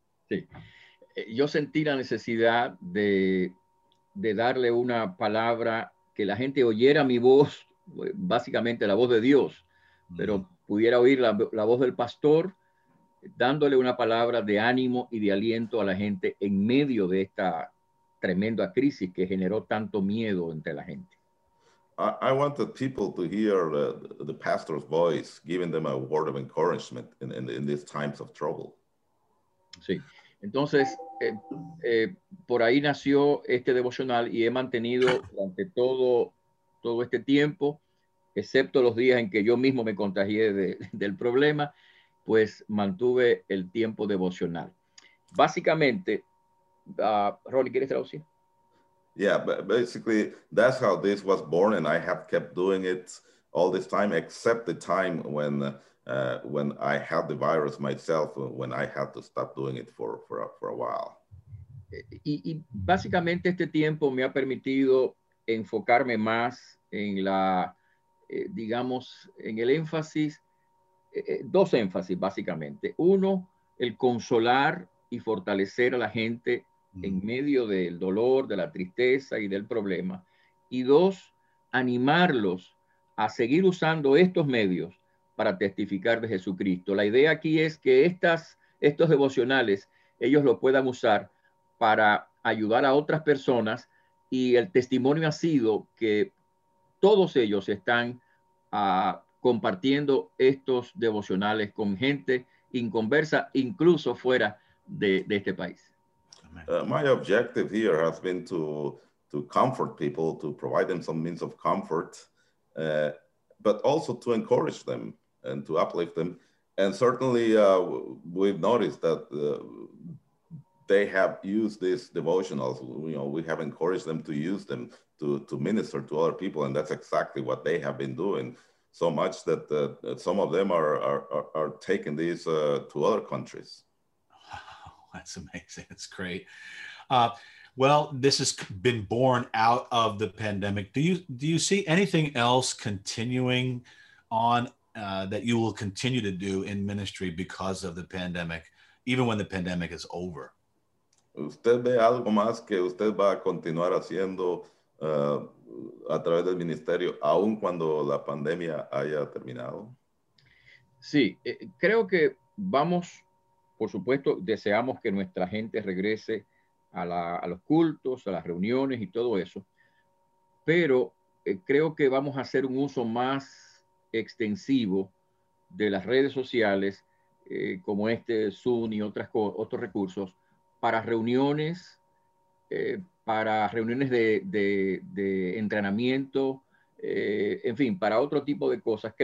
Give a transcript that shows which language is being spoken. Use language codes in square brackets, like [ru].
[es] Sí, yo sentí la necesidad de darle una palabra que la gente oyera mi voz, básicamente la voz de Dios, pero pudiera oír la voz del pastor dándole una palabra de ánimo y de aliento a la gente en medio de esta tremenda crisis que generó tanto miedo entre la gente. [en] I wanted people to hear the pastor's voice giving them a word of encouragement in these times of trouble. [es] Sí, entonces por ahí nació este devocional y he mantenido durante todo todo este tiempo, excepto los días en que yo mismo me contagié del problema, pues mantuve el tiempo devocional. Básicamente, Ronnie, ¿quieres traducir? [en] Yeah, basically, that's how this was born, and I have kept doing it all this time, except the time when I had the virus myself, when I had to stop doing it for a while. [es] Y básicamente este tiempo me ha permitido enfocarme más en la, digamos, en el énfasis, dos énfasis básicamente. Uno, el consolar y fortalecer a la gente en medio del dolor, de la tristeza y del problema. Y dos, animarlos a seguir usando estos medios para testificar de Jesucristo. La idea aquí es que estos devocionales, ellos lo puedan usar para ayudar a otras personas, y el testimonio ha sido que todos ellos están compartiendo estos devocionales con gente inconversa, incluso fuera de este país. [en] My objective here has been to comfort people, to provide them some means of comfort, but also to encourage them and to uplift them. And certainly we've noticed that they have used these devotionals. You know, we have encouraged them to use them to minister to other people, and that's exactly what they have been doing, so much that some of them are taking these to other countries. Oh, that's amazing. That's great. Well, this has been born out of the pandemic. Do you see anything else continuing on that you will continue to do in ministry because of the pandemic, even when the pandemic is over? [es] ¿Usted ve algo más que usted va a continuar haciendo a través del ministerio, aun cuando la pandemia haya terminado? Sí, creo que vamos, por supuesto, deseamos que nuestra gente regrese a los cultos, a las reuniones y todo eso, pero creo que vamos a hacer un uso más extensivo de las redes sociales, como este Zoom y otros recursos, para reuniones, de entrenamiento, en fin, para otro tipo de cosas.